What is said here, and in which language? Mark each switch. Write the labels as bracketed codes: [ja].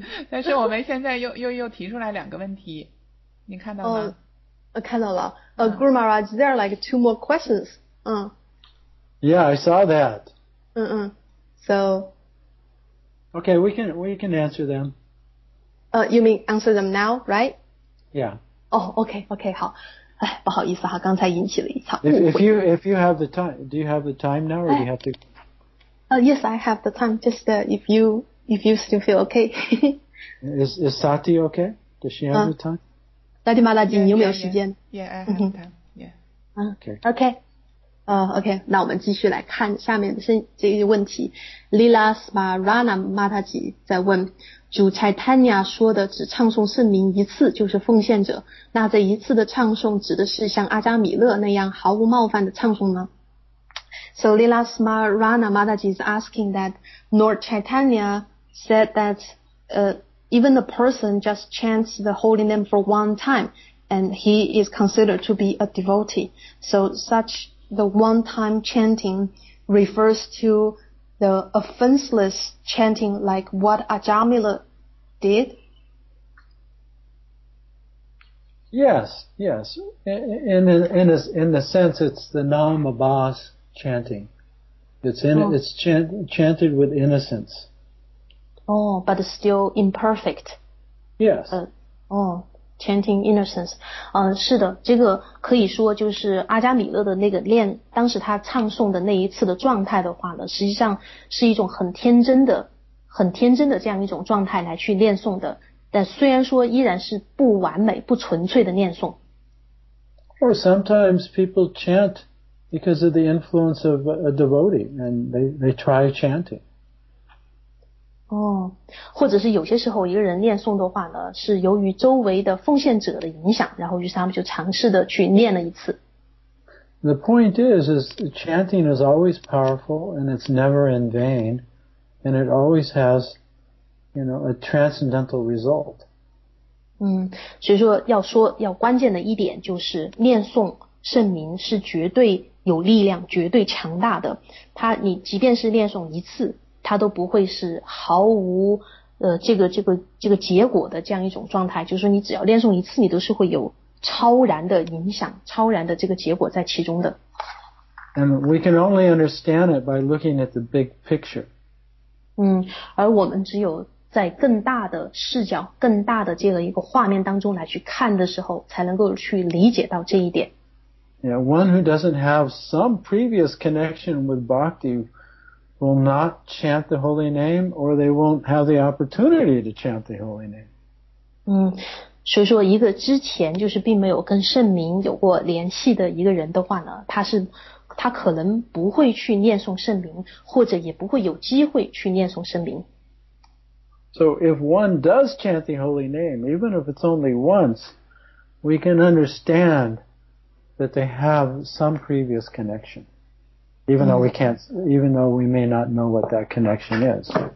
[zh] 但是我们现在又提出来两个问题，你看到吗？看到了。 [en] Guru Maharaj, there are like two more questions. Yeah, I saw that. So. Okay, we can answer them. You mean answer them now, right? Yeah. Oh, okay, 好。 [zh] 哎，不好意思哈，刚才引起了一场误会。 [en] If you have the time, do you have the time now, or do you have to? Yes, I have the time. Just if you still feel okay. is Sati okay? Does she have the time? Sati Maharaji, you [zh] 没有时间 [en] ？Yeah, I have time. Yeah. Okay. Okay. [zh] 那我们继续来看下面的这个问题。 Lila Smarana Mataji 在问。主 Chaitanya 说的只唱诵圣名一次就是奉献者，那这一次的唱诵指的是像阿扎米勒那样毫无冒犯的唱诵呢？ [en] So Lila Smarana Mataji is asking that Lord Chaitanya said that even the person just chants the holy name for one time and he is considered to be a devotee. So such the one time chanting refers to the offenseless chanting like what Ajamila did? Yes. In the sense it's the Nam Abbas chanting. It's chanted with innocence. Oh, but still imperfect. Yes. Chanting innocence. [zh] 是的，这个可以说就是阿扎米勒的那个练，当时他唱诵的那一次的状态的话呢，实际上是一种很天真的这样一种状态来去练诵的，但虽然说依然是不完美不纯粹的练诵。 [en] Or sometimes people chant because of the influence of a devotee and they try chanting. [zh] 或者是有些时候一个人念诵的话呢，是由于周围的奉献者的影响，然后于是他们就尝试的去念了一次。 [en] The point is chanting is always powerful and it's never in vain and it always has, you know, a transcendental result. [zh] 所以说要关键的一点就是念诵圣名是绝对有力量、绝对强大的。你即便是念诵一次。它都不会是毫无这个结果的这样一种状态，就是说你只要练诵一次，你都是会有超然的影响、超然的这个结果在其中的。 [en] And we can only understand it by looking at the big picture. [zh] 而我们只有在更大的视角、更大的这个一个画面当中来去看的时候，才能够去理解到这一点。 [en] Yeah, one who doesn't have some previous connection with bhakti. Will not chant the holy name, or they won't have the opportunity to chant the holy name. [zh] 所以说一个之前就是并没有跟圣名有过联系的一个人的话呢，他可能不会去念诵圣名，或者也不会有机会去念诵圣名。 [en] So if one does chant the holy name, even if it's only once, we can understand that they have some previous connection. Even though we may not know what that connection is.